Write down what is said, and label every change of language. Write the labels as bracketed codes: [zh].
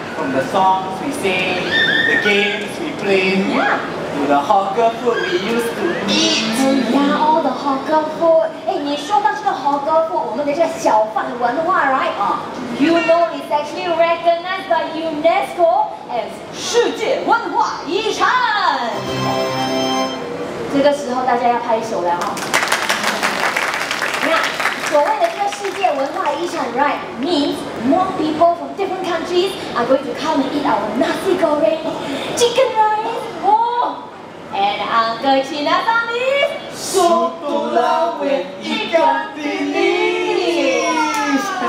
[en] From the songs we sing, the games we play, to the hawker food we used to eat. Yeah, all the hawker food. Hey, [zh] 你说到这个 [en] hawker food, [zh] 我们的这小贩文化, [en] right? You know it's actually recognized by UNESCO as [zh] 世界文化遗产. 这个时候大家要拍手了啊。所谓的这个世界文化遗产, [en] right, means more people from different countries are going to come and eat our nasi goreng, chicken rice, and Uncle Chinatami, soto lamb with ikan bilis.